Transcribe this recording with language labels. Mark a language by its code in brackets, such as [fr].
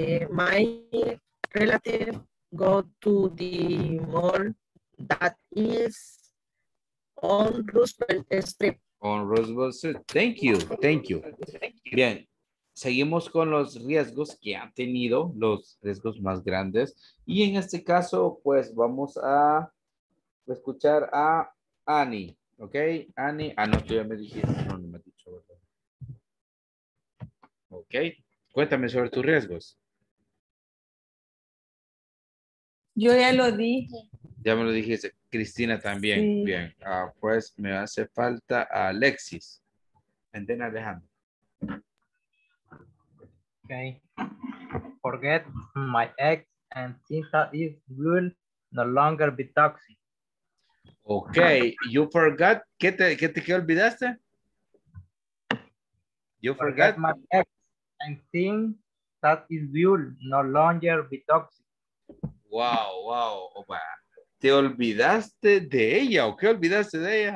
[en] My relative go to the mall that is on Roosevelt Street. On Roosevelt Street. Thank you. Thank you. [es] Bien. Seguimos con los riesgos que han tenido, los riesgos más grandes. Y en este caso, pues vamos a escuchar a Annie. ¿Ok? Annie. Ah, no, tú ya me dijiste. No, no me has dicho, ¿verdad? ¿Ok? Cuéntame sobre tus riesgos. Yo ya lo dije. Ya me lo dijiste. Cristina también. Sí. Bien. Ah, pues me hace falta a Alexis. Entena Alejandro. [en] Okay. Forget my ex and think that it will no longer be toxic. Okay, you forgot. [es] ¿Qué te olvidaste? [en] Forget my ex and think that it will no longer be toxic. Wow. [es] ¿Te olvidaste de ella o qué olvidaste de ella?